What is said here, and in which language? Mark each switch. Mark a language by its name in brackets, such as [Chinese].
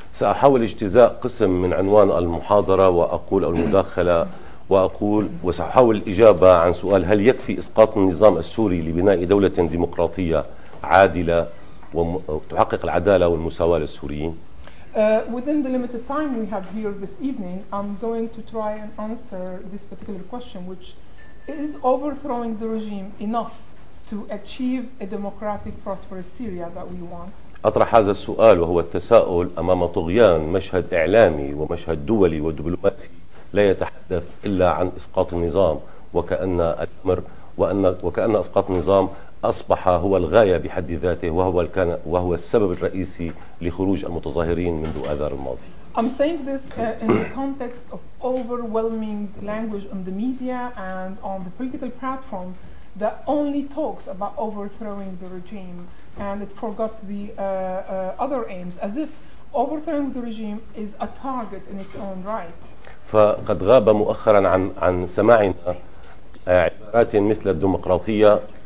[Arabic] سأحاول اجتزاء قسم من عنوان المحاضرة وأقول المداخلة وأقول وسأحاول الإجابة عن سؤال هل يكفي إسقاط النظام السوري لبناء دولة ديمقراطية عادلة وتحقق العدالة والمساواة للسوريين؟ [English] Within the limited time we have here this evening, I'm going to try and answer this particular question, which is overthrowing the regime enough to achieve a democratic, prosperous Syria that we want. [Arabic] أطرح هذا السؤال وهو التساؤل أمام طغيان مشهد إعلامي ومشهد دولي ودبلوماسي لا يتحدث إلا عن إسقاط النظام وكأن الأمر وكأن إسقاط النظام أصبح هو الغاية بحد ذاته وهو السبب الرئيسي لخروج المتظاهرين منذ آذار الماضي. [English] I'm saying this in the context of overwhelming language on the media and on the political platform that only talks about overthrowing the regime and it forgot the other aims as if overthrowing the regime is a target in its own right. [Arabic] فقد غاب مؤخرا عن سماعنا عبارات مثل الديمقراطية.